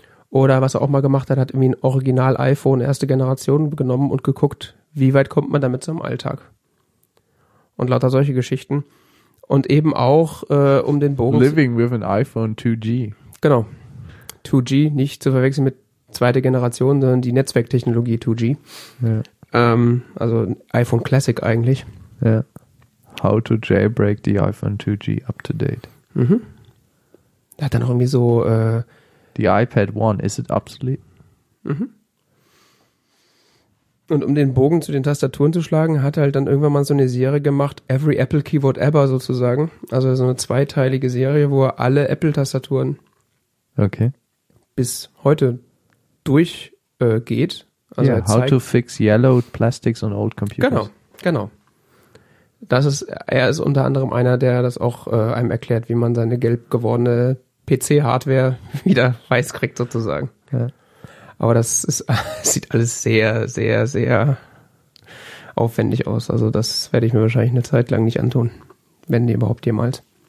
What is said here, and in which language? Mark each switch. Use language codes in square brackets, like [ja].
[de] Oder was er auch mal gemacht hat, hat irgendwie ein Original iPhone erste Generation genommen und geguckt, wie weit kommt man damit zum Alltag. Und lauter solche Geschichten. Und eben auch um den Bogen. [en] Living with an iPhone 2G. [de] Genau. 2G, nicht zu verwechseln mit zweite Generation, sondern die Netzwerktechnologie 2G. Ja. Also iPhone Classic eigentlich. Ja. [en] How to jailbreak the iPhone 2G up to date. Mhm. [de] Da hat er noch irgendwie so [en] The iPad One, is it obsolete? Mhm. [de] Und um den Bogen zu den Tastaturen zu schlagen, hat er halt dann irgendwann mal so eine Serie gemacht, [en] Every Apple Keyboard Ever [de] sozusagen. Also so eine zweiteilige Serie, wo er alle Apple-Tastaturen [en] okay. [de] bis heute durchgeht. Also [en] yeah, how to fix yellowed plastics on old computers. [de] Genau, genau. Das ist, er ist unter anderem einer, der das auch einem erklärt, wie man seine gelb gewordene PC-Hardware wieder weiß kriegt, sozusagen. Ja. Aber das ist, sieht alles sehr, sehr, sehr aufwendig aus. Also das werde ich mir wahrscheinlich eine Zeit lang nicht antun, wenn die überhaupt jemals.